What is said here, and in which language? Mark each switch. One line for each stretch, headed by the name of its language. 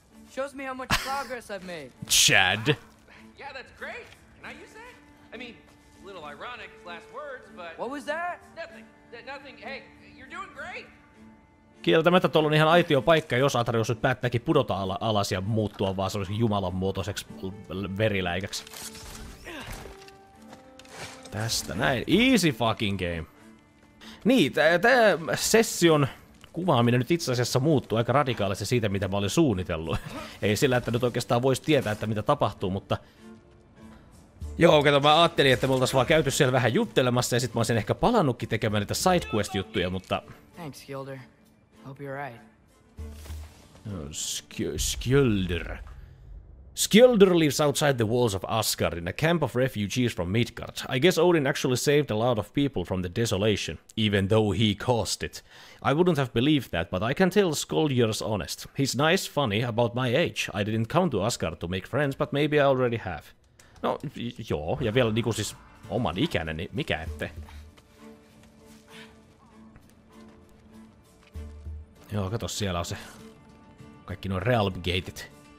English: Shows me how much progress I've made. Chad. Yeah, that's great. Now you say? I mean, a little ironic, last words, but... What was that? Nothing. Hey, you're doing great!
Finnish: Kieltämättä tuolla on ihan aitio paikka, jos Atreus nyt päättääkin pudota alas ja muuttua vaan semmoisen jumalan muotoiseksi veriläikäksi. Tästä näin.
English: Easy fucking game.
Finnish: Niin, tää session kuvaaminen nyt itse asiassa muuttuu aika radikaalisesti siitä, mitä mä olin suunnitellut. Ei sillä, että nyt oikeastaan voisi tietää, että mitä tapahtuu, mutta... Joo, kato, mä ajattelin, että me oltais vaan käyty siellä vähän juttelemassa ja sit mä olisin ehkä palannutkin tekemään niitä sidequest-juttuja, mutta...
English: Thanks, Skjöldr. Hope you're right. Skjöldr. Skjöldr lives outside the walls of Asgard in a camp of refugees from Midgard. I guess Odin actually saved a lot of people from the desolation, even though he caused it. I wouldn't have believed that, but I can tell Skjöldr's honest. He's nice, funny, about my age. I didn't come to Asgard to make friends, but maybe I already have.
Finnish: No, joo, ja vielä niinku siis oman ikäinen, niin mikä ette? Joo, kato, siellä on se. Kaikki nuo Realm Gateit.